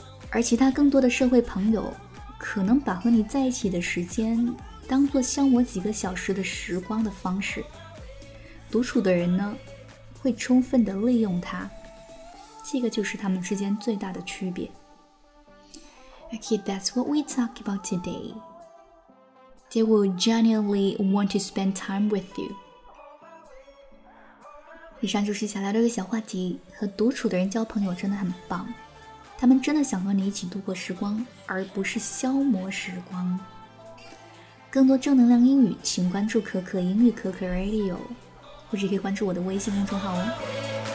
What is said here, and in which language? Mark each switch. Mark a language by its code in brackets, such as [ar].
[zh] 而其他更多的社会朋友可能把和你在一起的时间当作消磨几个小时的时光的方式。独处的人呢，会充分的利用它。这个就是他们之间最大的区别。 [en] Okay, that's what we talk about today. They will genuinely want to spend time with you. [zh] 以上就是想聊这个小话题，和独处的人交朋友真的很棒。他们真的想和你一起度过时光，而不是消磨时光。更多正能量英语，请关注可可英语可可 Radio， 或者可以关注我的微信公众号哦。